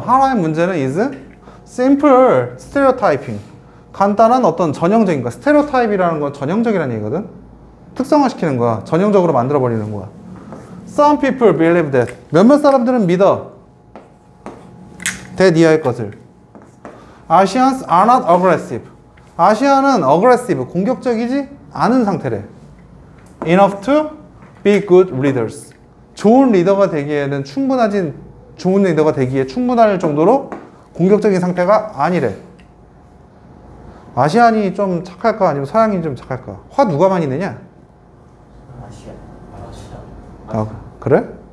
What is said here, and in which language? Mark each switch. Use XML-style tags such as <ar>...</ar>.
<ko>하나의 문제는</ko> <en>is simple stereotyping.</en> <ko>간단한 어떤 전형적인 거. Stereotype이라는 건 전형적이라는 얘기거든. 특성화시키는 거야. 전형적으로 만들어버리는 거야.</ko> <en>Some people believe that.</en> <ko>몇몇 사람들은 믿어. That 이하의 것을.</ko> <en>Asians are not aggressive.</en> <ko>아시아는 aggressive, 공격적이지 않은 상태래.</ko> <en>Enough to be good leaders.</en> <ko>좋은 리더가 되기에는 충분하진, 좋은 리더가 되기에 충분할 정도로 공격적인 상태가 아니래. 아시안이 좀 착할까? 아니면 서양인이 좀 착할까? 화 누가 많이 내냐? 아시아. 아, 그래?</ko>